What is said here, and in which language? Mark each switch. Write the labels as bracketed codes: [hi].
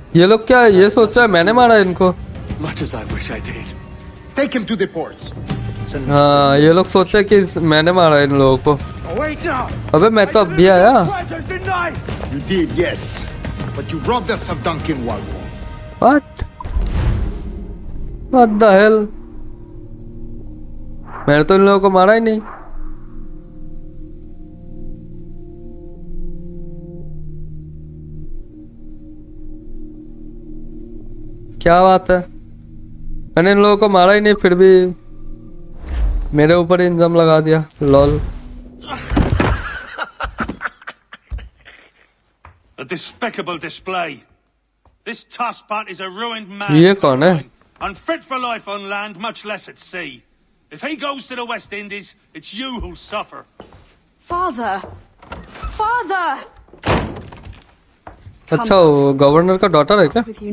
[hi] ये लोग क्या ये सोच रहा है मैंने मारा इनको? [en] Much as I wish I did. Take him to the ports. [hi] हाँ ये लोग सोच रहे कि मैंने मारा इन लोगों को. अबे मैं तो अभी आया. [en] You did, yes. But you robbed us of Duncan Walpole. What? What the hell? [hi] मैंने तो इन लोगों को मारा ही नहीं. क्या बात है मैंने इन लोगों को मारा ही नहीं फिर भी मेरे ऊपर इंजाम लगा दिया lol [en] A despicable display. This Tusspot is a ruined man. [hi] ये कौन है? [en] Unfit for life on land, much less at sea. If he goes to the West Indies, it's you who'll suffer. Father! Father! [hi] अच्छा वो governor का daughter है क्या?